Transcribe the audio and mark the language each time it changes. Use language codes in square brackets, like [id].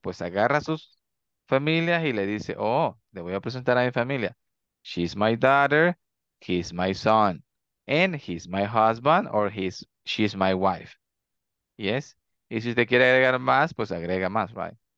[es] Pues agarra a sus familias y le dice, oh, le voy a presentar a mi familia. [en] She's my daughter. He's my son. And he's my husband or she's my wife. Yes. [es] Y si usted quiere agregar más, pues agrega más, right?